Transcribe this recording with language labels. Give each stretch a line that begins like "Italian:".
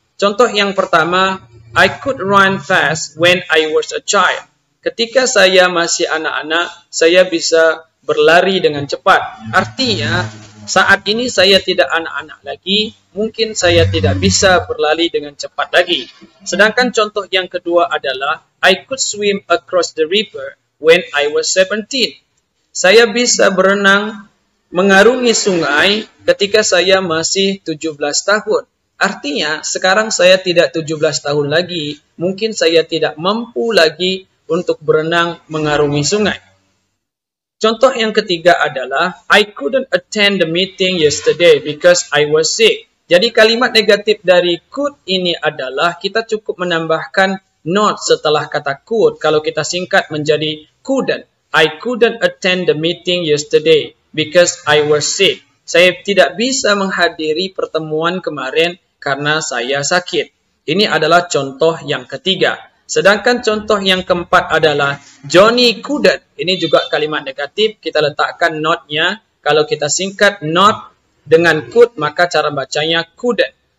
Indonesian: Contoh yang pertama,
English: I could run fast when I was a child.
Indonesian: Ketika saya masih anak-anak, saya bisa berlari dengan cepat. Artinya, saat ini saya tidak anak-anak lagi, mungkin saya tidak bisa berlari dengan cepat lagi. Sedangkan contoh yang kedua adalah,
English: I could swim across the river when I was 17.
Indonesian: Saya bisa berenang mengarungi sungai ketika saya masih 17 tahun. Artinya, sekarang saya tidak 17 tahun lagi, mungkin saya tidak mampu lagi untuk berenang mengarungi sungai. Contoh yang ketiga adalah,
English: I couldn't attend the meeting yesterday because I was sick.
Indonesian: Jadi kalimat negatif dari could ini adalah, kita cukup menambahkan not setelah kata could, kalau kita singkat menjadi couldn't.
English: I couldn't attend the meeting yesterday because I was sick.
Indonesian: Saya tidak bisa menghadiri pertemuan kemarin karena saya sakit. Ini adalah contoh yang ketiga. Sedangkan contoh yang keempat adalah Johnny couldn't. Ini juga kalimat negatif. Kita letakkan not-nya. Kalau kita singkat not dengan could, maka cara bacanya couldn't.